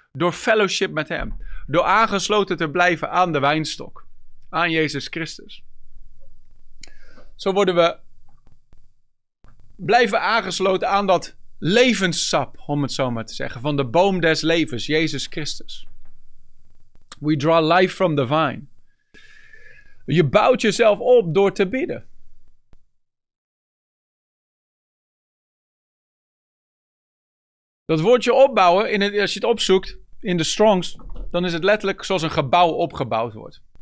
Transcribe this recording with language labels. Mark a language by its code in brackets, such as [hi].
[nl] Door fellowship met hem. Door aangesloten te blijven aan de wijnstok. Aan Jezus Christus. Zo worden we blijven aangesloten aan dat levenssap, om het zo maar te zeggen, van de boom des levens, Jezus Christus. [en] We draw life from the vine. [nl] Je bouwt jezelf op door te bidden. Dat woordje opbouwen, als je het opzoekt in de Strongs, dan is het letterlijk zoals een gebouw opgebouwd wordt.